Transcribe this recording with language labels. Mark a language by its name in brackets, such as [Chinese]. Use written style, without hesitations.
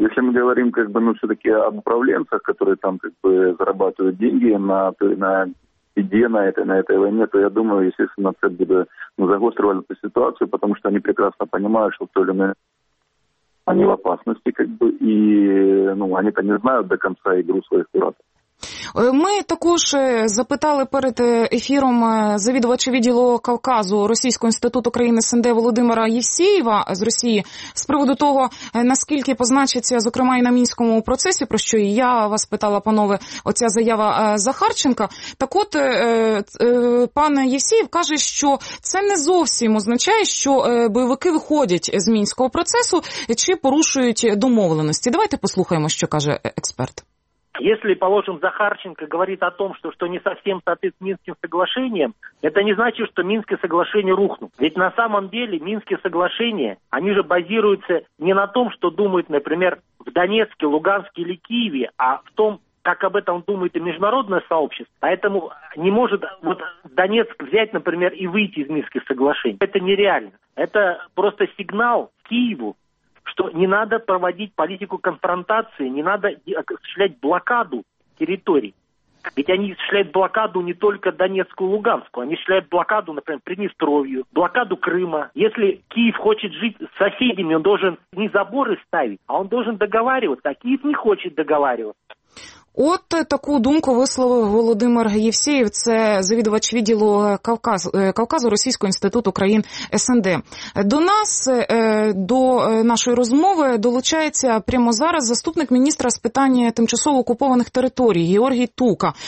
[Russian] Если мы говорим, как бы, ну, все-таки об управленцах, которые там, как бы, зарабатывают деньги на идее на этой войне, то я думаю, естественно, ЦЭД будет, ну, загостривать эту ситуацию, потому что они прекрасно понимают, что в той или иной они в опасности, как бы, и, ну, они-то не знают до конца игру своих куратов. [Ukrainian] Ми також запитали перед ефіром завідувача відділу Кавказу Російського інституту країни СНД Володимира Євсєєва з Росії з приводу того, наскільки позначиться, зокрема, і на Мінському процесі, про що і я вас питала, панове, оця заява Захарченка. Так от, пан Євсєєв каже, що це не зовсім означає, що бойовики виходять з Мінського процесу чи порушують домовленості. Давайте послухаємо, що каже експерт. [Russian] Если, положим, Захарченко говорит о том, что не совсем соответствует Минским соглашениям, это не значит, что Минские соглашения рухнут. Ведь на самом деле Минские соглашения, они же базируются не на том, что думают, например, в Донецке, Луганске или Киеве, а в том, как об этом думает и международное сообщество. Поэтому не может вот Донецк взять, например, и выйти из Минских соглашений. Это нереально. Это просто сигнал Киеву, что не надо проводить политику конфронтации, не надо осуществлять блокаду территорий. Ведь они осуществляют блокаду не только Донецку и Луганску, они осуществляют блокаду, например, Приднестровью, блокаду Крыма. Если Киев хочет жить с соседями, он должен не заборы ставить, а он должен договариваться, а Киев не хочет договариваться. [Ukrainian] От таку думку висловив Володимир Євсєєв, це завідувач відділу Кавказу Російського інституту країн СНД. До нас, до нашої розмови долучається прямо зараз заступник міністра з питань тимчасово окупованих територій Георгій Тука.